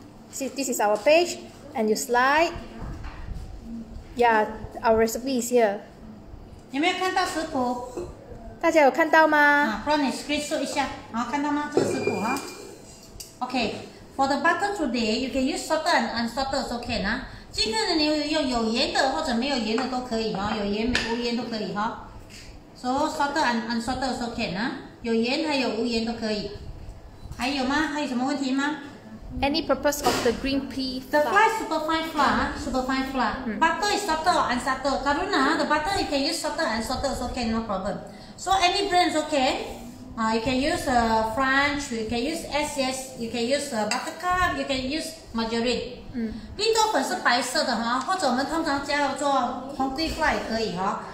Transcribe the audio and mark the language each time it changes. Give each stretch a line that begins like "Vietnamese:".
English: See, this is our page, and you slide. Yeah, our recipe is here.
Chinese: 有没有看到食谱？大家有看到吗？啊，帮你 screenshot 一下，好，看到吗？这个食谱哈。
English: Okay, for the butter today, you can use salted and unsalted, it's okay, nah.
Chinese: 今天的牛油用有盐的或者没有盐的都可以哈，有盐没无盐都可以哈。
English: So salted and unsalted, it's okay, nah.
Chinese: 有盐还有无盐都可以。还有吗？还有什么问题吗？
English: Any purpose of the green pea flour? The flour is super fine flour, super fine flour. Butter is salted or unsalted. Karuna, the butter you can use salted and unsalted, it's okay, no problem. So any brand is okay. You can use French, you can use SS, you can use Buttercup, you can use margarine.
Chinese: 绿豆粉是白色的哈，或者我们通常叫做红龟 flour 也可以哈。